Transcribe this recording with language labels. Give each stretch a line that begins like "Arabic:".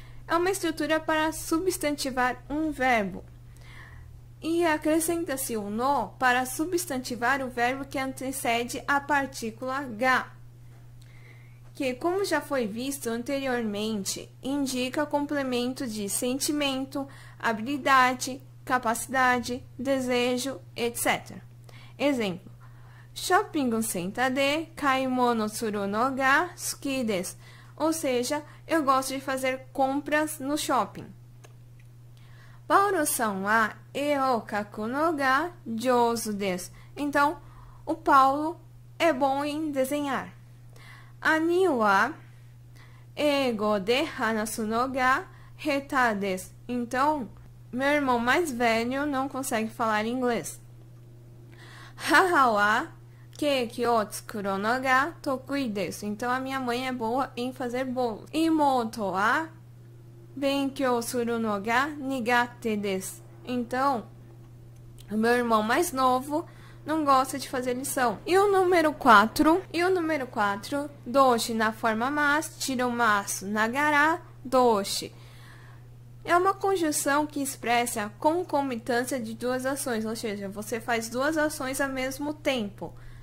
Portuguese: É uma estrutura para substantivar um verbo. E acrescenta-se o no para substantivar o verbo que antecede a partícula ga, que, como já foi visto anteriormente, indica complemento de sentimento, habilidade, capacidade, desejo, etc.
Japanese: Exemplo: Shopping center de kaimono suru no ga suki desu.
Portuguese: Ou seja, eu gosto de fazer compras no shopping.
Japanese: Paulo-san wa 絵を描くのが上手です。
Portuguese: Então, o Paulo é bom em desenhar.
Japanese: Ani wa 英語で話すのが下手です。
Portuguese: Então, meu irmão mais velho não consegue falar inglês.
Japanese: 母はケーキを作るのが得意です。
Portuguese: Então, a minha mãe é boa em fazer bolo.
Japanese: 妹は勉強するのが苦手です。
Portuguese: Então, o meu irmão mais novo não gosta de fazer lição. E o número 4? E o número 4? Doshi na forma mas, tiro masu, nagará, doshi. É uma conjunção que expressa a concomitância de duas ações, ou seja, você faz duas ações ao mesmo tempo.